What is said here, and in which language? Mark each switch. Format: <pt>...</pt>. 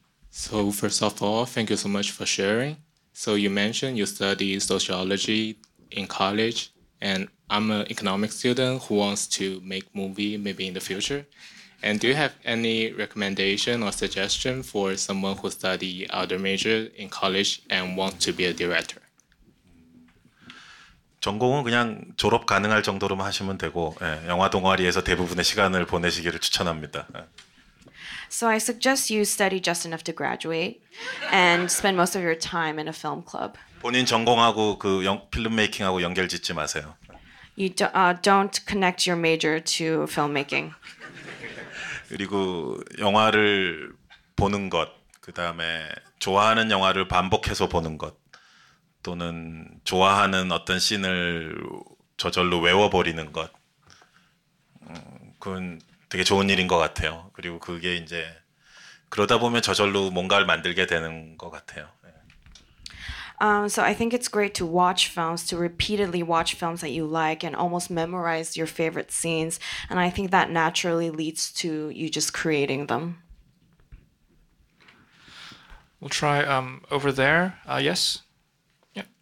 <en>So first of all, thank you so much for sharing. So you mentioned you study sociology in college, and I'm an economics student who wants to make movie maybe in the future. And do you have any recommendation or suggestion for someone who study other major in college and want to be a director?</en> <ko>전공은 그냥 졸업 가능할 정도로만 하시면 되고 예, 영화 동아리에서 대부분의 시간을 보내시기를 추천합니다.</ko> <en>So I suggest you study just enough to graduate and spend most of your time in a film club.</en> <ko>본인 전공하고 그 필름 메이킹하고 연결 짓지 마세요.</ko> <en>You don't connect your major to filmmaking.</en> <ko>그리고 영화를 보는 것, 그 다음에 좋아하는 영화를 반복해서 보는 것, 또는 좋아하는 어떤 씬을 저절로 외워버리는 것, 그건 되게 좋은 일인 것 같아요. 그리고 그게 이제 그러다 보면 저절로 뭔가를 만들게 되는 것 같아요.</ko> <en>So I think it's great to watch films, to repeatedly watch films that you like and almost memorize your favorite scenes. And I think that naturally leads to you just creating them. We'll try over there. Yes? Yeah.</en>